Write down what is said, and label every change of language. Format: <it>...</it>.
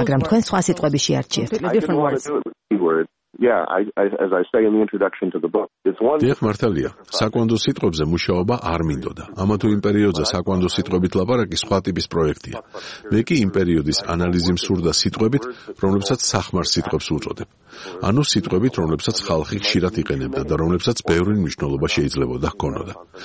<ka>მაგრამ თქვენ სხვა სიტყვები შეარჩიეთ.</ka> <en>Yeah, as I say in the introduction to the book, it's one.</en> <ka>დიახ, მართალია. საკვანძო სიტყვებზე მუშაობა არ მინდოდა. ამა თუ იმ პერიოდზე საკვანძო სიტყვებით ლაპარაკი სხვა ტიპის პროექტია. მე კი იმ პერიოდის ანალიზი მსურდა სიტყვებით, რომლებსაც სახმარ სიტყვებს უწოდებ. ანუ სიტყვებით, რომლებსაც ხალხი ხშირად იყენებდა და რომლებსაც ბევრი მნიშვნელობა შეიძლებოდა ჰქონოდა.</ka>